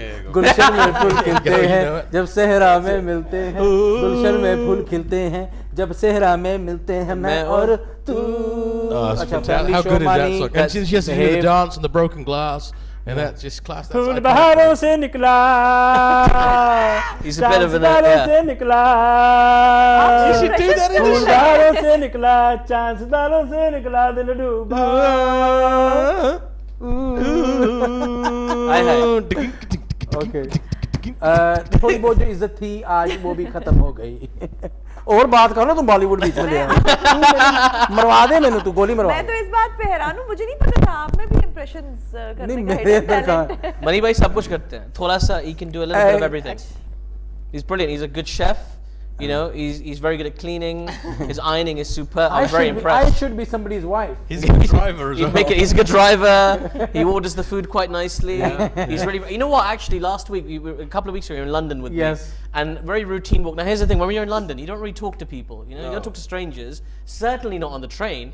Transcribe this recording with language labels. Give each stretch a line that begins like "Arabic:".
Hindi: गुलशन में फूल खिलते हैं जब सहरा में मिलते हैं गुलशन में फूल खिलते हैं जब सहरा में मिलते हैं मैं और तू
English: अच्छा how good is that song and she has to hear the dance and the broken glass and that just class that
Hindi: फूल बहारों से निकला
English: he's a bit of an yeah
Hindi: से निकला
English: you should do that
Hindi: फूल बहारों से निकला chance दालों से निकला दिल डूबा हाय हाय ओके थोड़ी बहुत जो इज्जत थी आज वो भी खत्म हो गई और बात करो ना तुम बॉलीवुड बीच में ले आओ मरवा दे मैंने तू गोली मरवा मैं तो इस बात पे हैरान हूँ मुझे नहीं पता था आप में भी इंप्रेशंस करने का हिडन टैलेंट है मनी भाई सब कुछ करते हैं थोड़ा सा
English: ही can do a little bit of everything he is brilliant he is a good chef you know he is very good at cleaning his ironing is super I am very impressed I should be somebody's wife. He's a good driver as well. He's a good driver. He orders the food quite nicely. He's really. You know what? Actually, last week, a couple of weeks ago, we were in London with yes. me. Yes. and very routine walk. Now, here's the thing, when you're in London, you don't really talk to people, you know, you don't talk to strangers, certainly not on the train.